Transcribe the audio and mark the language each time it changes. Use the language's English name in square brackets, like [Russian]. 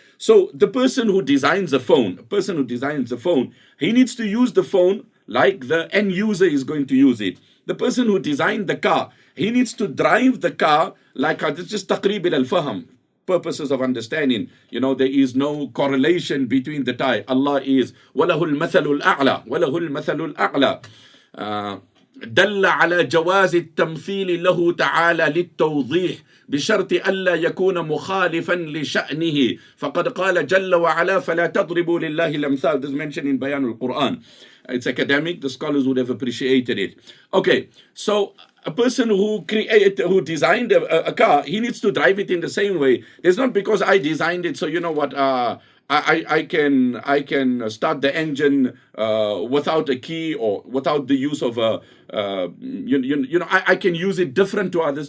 [English] So the person who designs a phone, he needs to use the phone like the end user is going to use it. The person who designed the car, he needs to drive the car like, it's just taqrib il al-faham, purposes of understanding. You know, there is no correlation between the tie. Allah is, [Arabic] وَلَهُ الْمَثَلُ الْأَعْلَى وَلَهُ الْمَثَلُ الْأَعْلَى دَلَّ عَلَى جَوَازِ التَّمْثِيلِ لَهُ تَعَالَى لِلتَّوْضِيحِ بشرط ألا يكون مخالفا لشأنه فقد قال جل وعلا فلا تضربوا لله الأمثال. [English] This is mentioned in Bayan al-Quran. It's academic, the scholars would have appreciated it. Okay, so a person who designed a car, he needs to drive it in the same way. It's not because I designed it, so you know what, I can start the engine without a key or without the use of a, I can use it different to others.